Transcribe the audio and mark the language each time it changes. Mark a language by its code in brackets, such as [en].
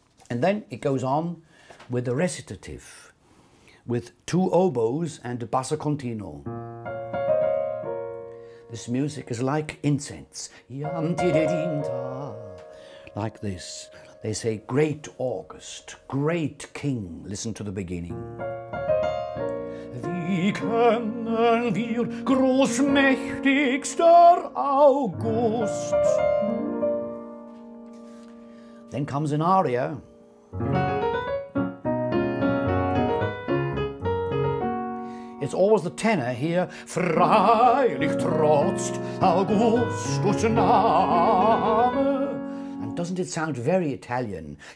[en] And then it goes on with a recitative, with two oboes and a basso continuo. This music is like incense. Like this. They say, great August, great king. Listen to the beginning. [de] Wie können wir großmächtigster August? [en] Then comes an aria. It's always the tenor here. [de] Freilich trotzt Augustus Name. [en] And doesn't it sound very Italian?